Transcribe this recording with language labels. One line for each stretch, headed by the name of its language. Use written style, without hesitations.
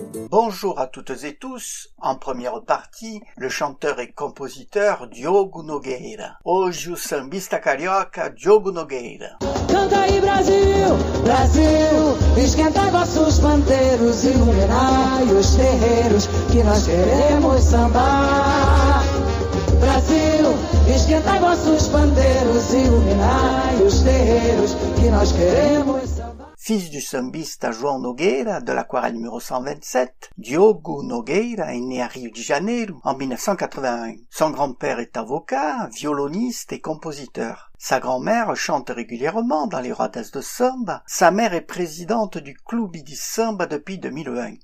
French: Bonjour à toutes et tous. En première partie, le chanteur et compositeur Diogo Nogueira.
Portuguese: Hoje, o sambista carioca Diogo Nogueira. Canta aí, Brasil, Brasil, esquenta vossos panteiros, iluminai os terreiros que nós queremos sambar. Brasil, esquenta vossos panteiros, iluminai os terreiros que nós queremos sambar.
French: Fils du sambista João Nogueira, de l'aquarelle numéro 127, Diogo Nogueira est né à Rio de Janeiro en 1981. Son grand-père est avocat, violoniste et compositeur. Sa grand-mère chante régulièrement dans les rodas de samba. Sa mère est présidente du Clube de Samba depuis 2020.